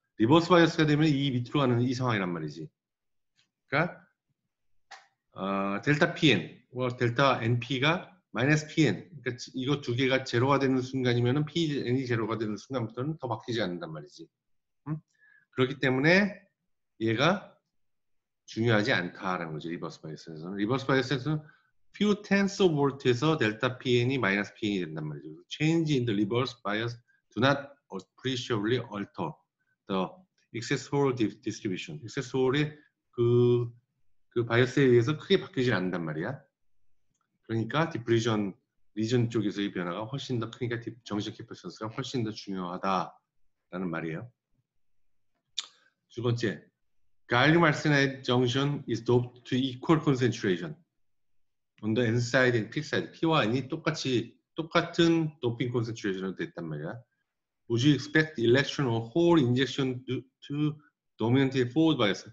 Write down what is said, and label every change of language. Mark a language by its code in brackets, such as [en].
[ko] 리버스 바이어스가 되면 이 밑으로 가는 이 상황이란 말이지. 그러니까 델타 PN과 델타 NP가 마이너스 PN. 그러니까 이거 두 개가 제로가 되는 순간이면은 PN이 제로가 되는 순간부터는 더 바뀌지 않는단 말이지. 그렇기 때문에 얘가 중요하지 않다라는 거지. 리버스 바이어스에서는. 리버스 바이어스에서는 [en] few tens of volt [ko] 에서 delta pn이 minus pn이 된단 말이죠. [en] change in the reverse bias do not appreciably alter the accessorial distribution. [ko] accessorial이 그 바이어스에 의해서 크게 바뀌지 않는단 말이야. 그러니까 diffusion region 쪽에서의 변화가 훨씬 더 크니까 정전 캐패스턴스가 훨씬 더 중요하다라는 말이에요. [en] 두 번째, gallium arsenide junction is doped to equal concentration on the N side and P side. [ko] P와 N이 똑같은 도핑 콘센트레이션으로 됐단 말이야. [en] Would you expect electron or hole injection to dominate forward bias?